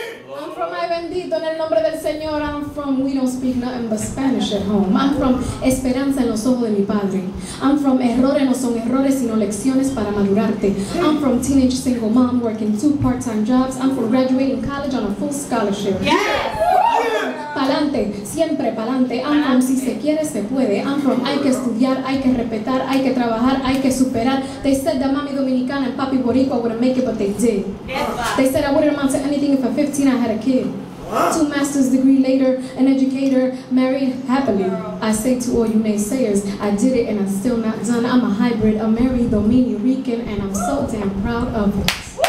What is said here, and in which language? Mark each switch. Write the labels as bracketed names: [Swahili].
[English] I'm from [Spanish] Ay Bendito, en el nombre del Señor. [English] I'm from We Don't Speak Nothing But Spanish at Home. I'm from [Spanish] Esperanza en los ojos de mi padre. [English] I'm from [Spanish] Errores no son errores, sino lecciones para madurarte. [English] I'm from Teenage Single Mom, working 2 part-time jobs. I'm from graduating college on a full scholarship. [Spanish] Pa'lante, siempre pa'lante. [English] I'm from [Spanish] si se quiere, se puede. [English] I'm from [Spanish] hay que estudiar, hay que respetar, hay que trabajar, hay que superar. [English] They said that [Spanish] mami dominicana [English] and [Spanish] papi boricua [English] wouldn't make it, but they did. They said I wouldn't amount to anything if at 15 I had a kid. Two master's degree later, an educator, married happily. I say to all you naysayers, I did it and I'm still not done. I'm a hybrid, a married Dominican, and I'm so damn proud of it.